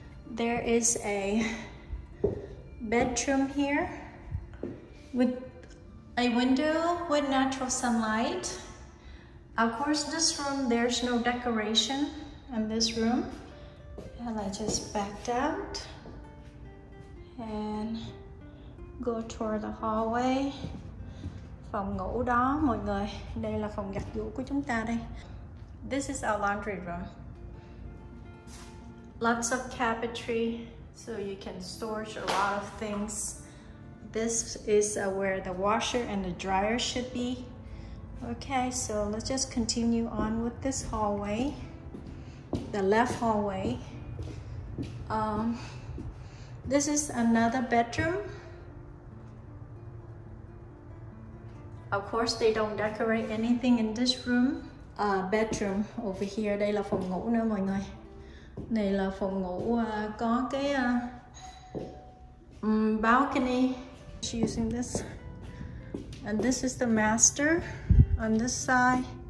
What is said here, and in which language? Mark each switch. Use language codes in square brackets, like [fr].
[en] There is a bedroom here with a window with natural sunlight. Of course, this room, there's no decoration in this room. And I just backed out and go toward the hallway. [vi] Phòng ngủ đó mọi người, đây là phòng giặt giũ của chúng ta đây. [en] This is our laundry room. Lots of cabinetry, so you can store a lot of things. This is where the washer and the dryer should be. Okay, so let's just continue on with this hallway, the left hallway. This is another bedroom. Of course, they don't decorate anything in this room. Bedroom over here, [vi] đây là phòng ngủ nữa mọi người. Này là phòng ngủ có cái balcony. [en] She's using this. And this is the master on this side.